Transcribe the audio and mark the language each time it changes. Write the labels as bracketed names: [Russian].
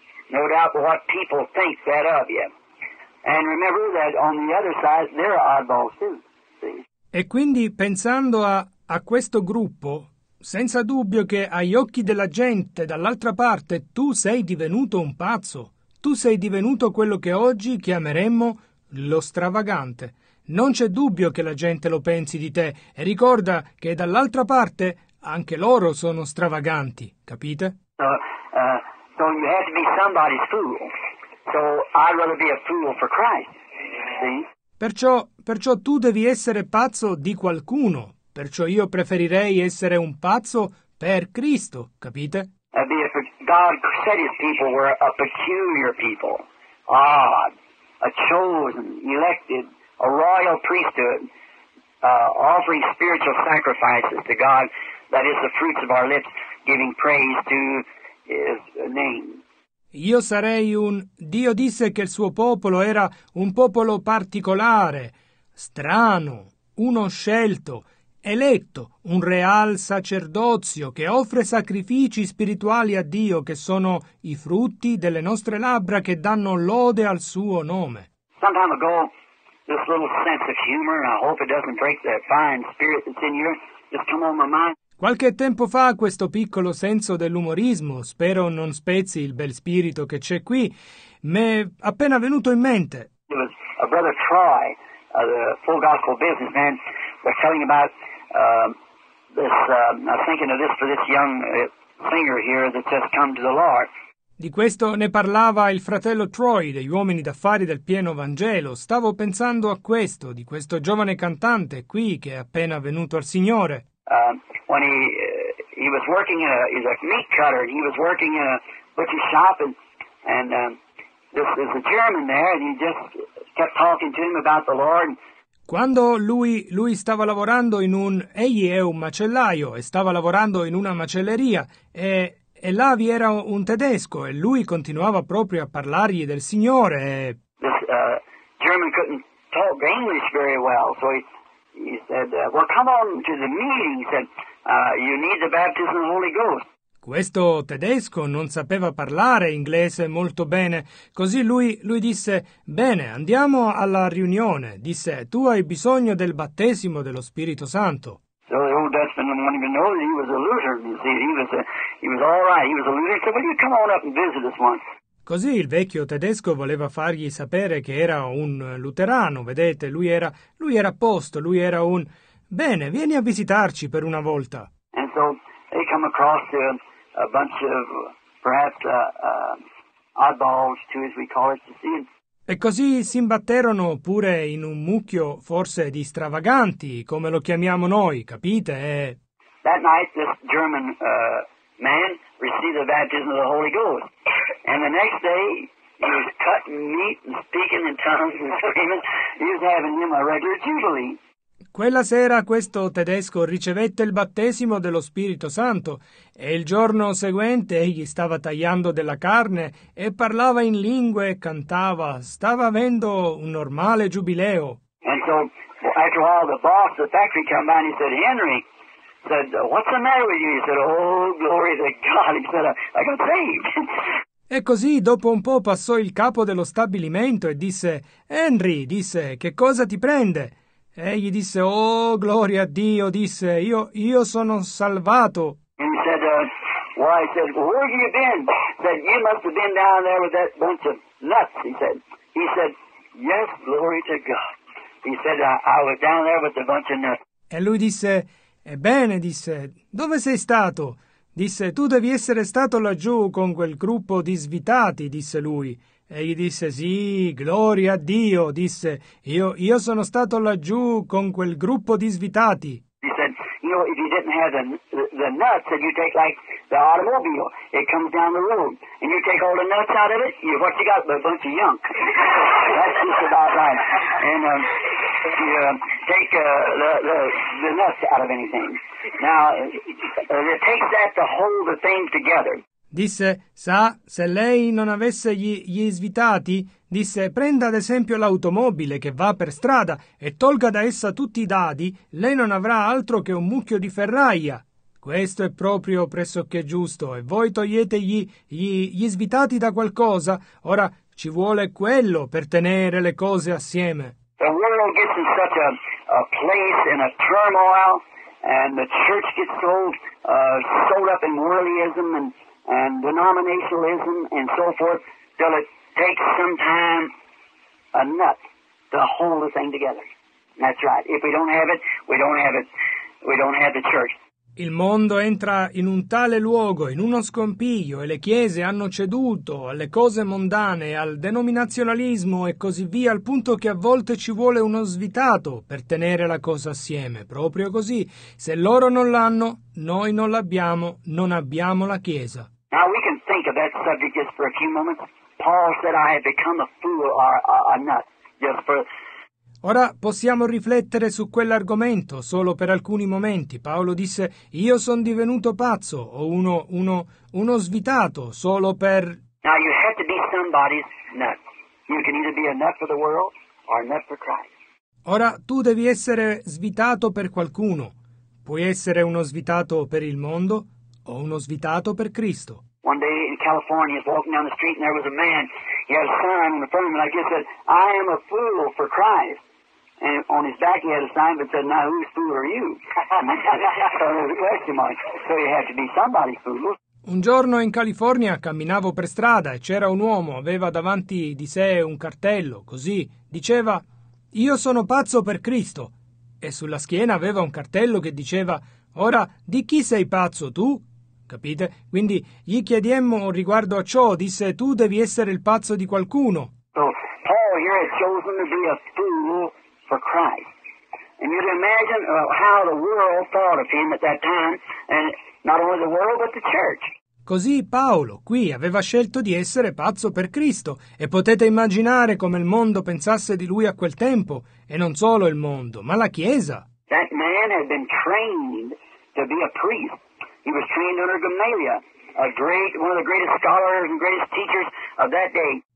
[English] No doubt what people think that of you. And remember that on the other side, they're oddballs too. [Italian] E quindi pensando a questo gruppo, senza dubbio che agli occhi della gente dall'altra parte tu sei divenuto un pazzo, tu sei divenuto quello che oggi chiameremmo lo stravagante. Non c'è dubbio che la gente lo pensi di te e ricorda che dall'altra parte anche loro sono stravaganti, capite? [English] So you have to be somebody's fool. So I'd rather be a fool for Christ. See? [Italian] Perciò tu devi essere pazzo di qualcuno, perciò io preferirei essere un pazzo per Cristo, capite? [English] That'd be if God said his people were a peculiar people, odd, a chosen, elected, a royal priesthood, offering spiritual sacrifices to God. That is the fruits of our lips giving praise to his name. [Italian] Io sarei un Dio disse che il suo popolo era un popolo particolare, strano, uno scelto, eletto, un real sacerdozio che offre sacrifici spirituali a Dio, che sono i frutti delle nostre labbra che danno lode al suo nome. [English] Some time ago, this little sense of humor, and I hope it doesn't break the fine spirit that's in you. Just come on my mind. [Italian] Qualche tempo fa questo piccolo senso dell'umorismo, spero non spezzi il bel spirito che c'è qui, mi è appena venuto in mente. [English] It was a brother Troy, the full gospel businessman, was telling about I was thinking of this for this young singer here that just come to the Lord. [Italian] Di questo ne parlava il fratello Troy, degli uomini d'affari del pieno Vangelo. Stavo pensando a questo, di questo giovane cantante qui che è appena venuto al Signore. [English] When he was working in he's a meat cutter, he was working in a butcher shop, and there's a German there, and he just kept talking to him about the Lord. [Italian] Quando lui stava lavorando in un... Egli è un macellaio e stava lavorando in una macelleria, e là vi era un tedesco, e lui continuava proprio a parlargli del Signore. [English] This German couldn't talk English very well, so he said, well, come on to the meeting, he said, you need the baptism of the Holy Ghost. [Italian] Questo tedesco non sapeva parlare inglese molto bene, così lui disse, bene, andiamo alla riunione, disse, tu hai bisogno del battesimo dello Spirito Santo. [English] So the old Dutchman didn't want him to know that he was a loser, you see, he was all right, he was a loser, he said, well, you come on up and visit us once. [Italian] Così il vecchio tedesco voleva fargli sapere che era un luterano, vedete, lui era a posto, lui era un... Bene, vieni a visitarci per una volta. [English] And so they come across to a bunch of, perhaps, oddballs, too, as we call it, to see. [Italian] E così si imbatterono pure in un mucchio, forse, di stravaganti, come lo chiamiamo noi, capite? [English] That night this German man received the baptism of the Holy Ghost. And the next day, he was cutting meat and speaking in tongues and screaming. He was having him a regular jubilee. [Italian] Quella sera questo tedesco ricevette il battesimo dello Spirito Santo e il giorno seguente egli stava tagliando della carne e parlava in lingue e cantava. Stava avendo un normale giubileo. [English] And so, after a while, the boss of the factory came by and he said, Henry, said, what's the matter with you? He said, oh, glory to God. He said, I got saved. [Italian] E così dopo un po' passò il capo dello stabilimento e disse, Henry, disse, che cosa ti prende? E gli disse, oh, gloria a Dio, disse, io sono salvato. [English] And he said, why, he said, where have you been? He said, you must have been down there with that bunch of nuts, he said. He said, yes, glory to God. He said, I was down there with a bunch of nuts. [Italian] E lui disse, ebbene, disse, dove sei stato? Disse, tu devi essere stato laggiù con quel gruppo di svitati, disse lui. E gli disse, sì, gloria a Dio, disse, io sono stato laggiù con quel gruppo di svitati. [English] He said, you know, if you didn't have the nuts, then you take like the automobile, it comes down the road, and you take all the nuts out of it, what you got but a bunch of junk. That's just about right. And you take the nuts out of anything. Now, it takes that to hold the thing together. [Italian] Disse, sa, se lei non avesse gli svitati, disse, prenda ad esempio l'automobile che va per strada e tolga da essa tutti i dadi, lei non avrà altro che un mucchio di ferraia. Questo è proprio pressoché giusto, e voi togliete gli svitati da qualcosa, ora ci vuole quello per tenere le cose assieme. [English] The world gets in such a place in a turmoil, and the church gets sold up in worldlyism and denominationalism and so forth, till it takes some time, a nut, to hold the thing together. That's right. If we don't have it, we don't have it. We don't have the church. [Italian] Il mondo entra in un tale luogo, in uno scompiglio, e le chiese hanno ceduto alle cose mondane, al denominazionalismo e così via, al punto che a volte ci vuole uno svitato per tenere la cosa assieme. Proprio così. Se loro non l'hanno, noi non l'abbiamo, non abbiamo la Chiesa. [English] Now we can think of that subject just for a few moments. Paul said, I have become a fool or a nut. Just for... [Italian] Ora possiamo riflettere su quell'argomento solo per alcuni momenti. Paolo disse, io sono divenuto pazzo o uno svitato solo per... [English] Now you have to be somebody's nut. You can either be a nut for the world or a nut for Christ. [Italian] Ora tu devi essere svitato per qualcuno. Puoi essere uno svitato per il mondo o uno svitato per Cristo. [English] One day in California, he was walking down the street and there was a man. He had a sign on the front of him, and I guess said, I am a fool for Christ. And on his back he had a sign that said, "Now whose fool are you?" So it was a question mark. So you had to be somebody's fool. [Italian] Un giorno in California camminavo per strada e c'era un uomo, aveva davanti di sé un cartello, così, diceva: "Io sono pazzo per Cristo", e sulla schiena aveva un cartello che diceva: "Ora, di chi sei pazzo tu?" Capite? Quindi gli chiediemmo riguardo a ciò, disse: "Tu devi essere il pazzo di qualcuno." [English] So, Paul here has chosen to be a fool for Christ. And you can imagine how the world thought of him at that time, and not only the world, but the church. [Italian] Così Paolo qui aveva scelto di essere pazzo per Cristo e potete immaginare come il mondo pensasse di lui a quel tempo, e non solo il mondo, ma la Chiesa. [English] That man had been trained to be a priest. He was trained under Gamaliel, one of the greatest scholars and greatest teachers of that day.